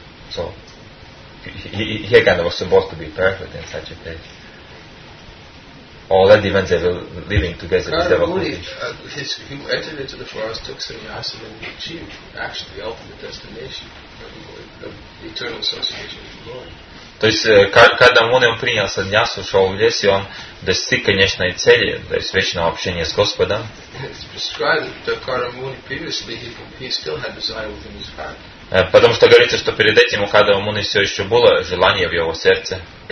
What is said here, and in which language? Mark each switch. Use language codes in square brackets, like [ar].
[en] So. He kind of was supposed to be perfect in such a place. Already when they were living together, he entered into the forest, took sannyasa, and achieved actually the ultimate destination, the eternal association with the Lord. [ru] То есть когда Муни принял саньясу, ушел в лес, и он достиг конечной цели, то есть вечного общения с Господом. [en] It's prescribed that Kadama Muni previously he still had desire within his heart. [ru] Потому что говорится, что перед этим у Кадама Муни все еще было желание в его сердце.